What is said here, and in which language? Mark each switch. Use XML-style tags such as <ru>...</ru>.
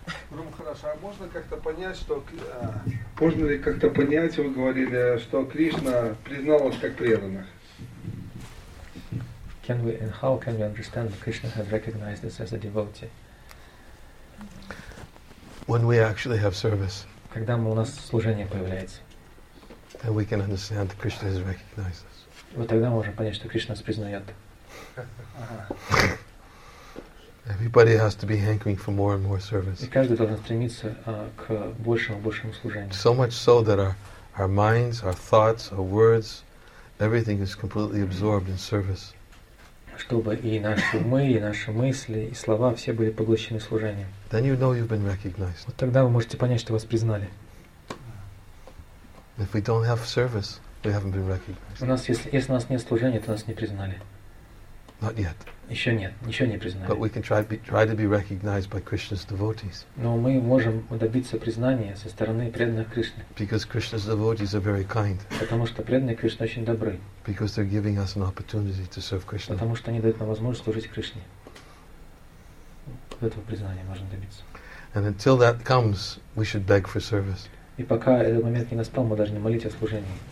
<ru>Ром, хорошо. А можно как-то понять, что можно ли как-то понять, вы говорили, что Кришна признал вас как преданных?</ru> <en>Can we and how can we understand that Krishna has recognized us as a devotee? When we actually have service,</en> <ru>когда у нас служение появляется,</ru> <en>then we can understand that Krishna has recognized us.</en> <ru>Вот тогда мы можем понять, что Кришна нас признает.</ru> <en>Everybody has to be hankering for more and more service.</en> <ru>И каждый должен стремиться к большему, большему служению.</ru> <en>So much so that our minds, our thoughts, our words, everything is completely absorbed in service.</en> <ru>Чтобы и наши умы, и наши мысли, и слова все были поглощены служением.</ru> <en>Then you know you've been recognized.</en> <ru>Вот тогда вы можете понять, что вас признали.</ru> <en>If we don't have service, we haven't been recognized.</en> <ru>У нас, если у нас нет служения, то нас не признали.</ru> <en>Not yet.</en> <ru>Еще нет, еще не признали.</ru> <en>But we can try to be recognized by Krishna's devotees.</en> <ru>Но мы можем добиться признания со стороны преданных Кришны.</ru> <en>Because Krishna's devotees are very kind.</en> <ru>Потому что преданные Кришны очень добры.</ru> <en>Because they're giving us an opportunity to serve Krishna.</en> <ru>Потому что они дают нам возможность служить Кришне. Вот этого признания можно добиться.</ru> <en>And until that comes, we should beg for service.</en> <ru>И пока этот момент не настал, мы должны молить о служении.</ru>